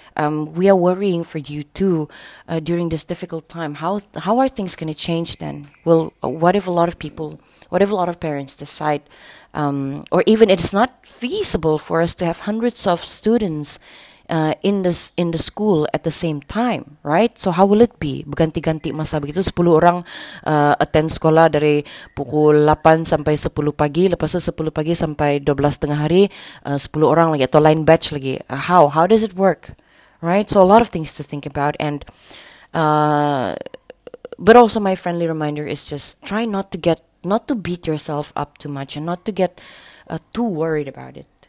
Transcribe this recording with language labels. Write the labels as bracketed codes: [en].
[en] We are worrying for you too during this difficult time. How are things going to change then? Well, what if a lot of parents decide, or even it's not feasible for us to have hundreds of students in the school at the same time, right? So how will it be? [ms] Berganti-ganti masa begitu, 10 orang attend sekolah dari pukul 8 sampai 10 pagi, lepas itu 10 pagi sampai 12 tengah hari, 10 orang lagi, atau lain batch lagi. [en] How does it work, right? So a lot of things to think about, and but also my friendly reminder is just try not to get, not to beat yourself up too much and not to get too worried about it.